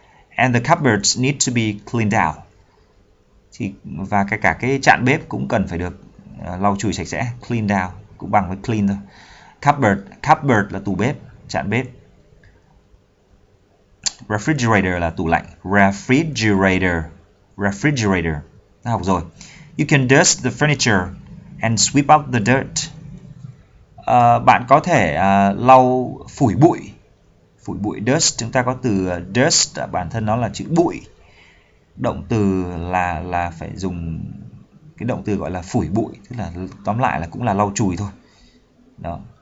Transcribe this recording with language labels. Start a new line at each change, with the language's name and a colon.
English: And the cupboards need to be cleaned out.
Vietnamese: Thì và cái cả cái chạn bếp cũng cần phải được lau chùi sạch sẽ,
English: cleaned out,
Vietnamese: cũng bằng với clean thôi. Cupboard là tủ bếp, chạn bếp. Refrigerator là tủ lạnh. Refrigerator. Đã học rồi.
English: You can dust the furniture and sweep up the dirt.
Vietnamese: Bạn có thể lau phủi bụi. Phủi bụi, dust, chúng ta có từ dust, bản thân nó là chữ bụi. Động từ là phải dùng cái động từ gọi là phủi bụi, tức là tóm lại là cũng là lau chùi thôi. Đó.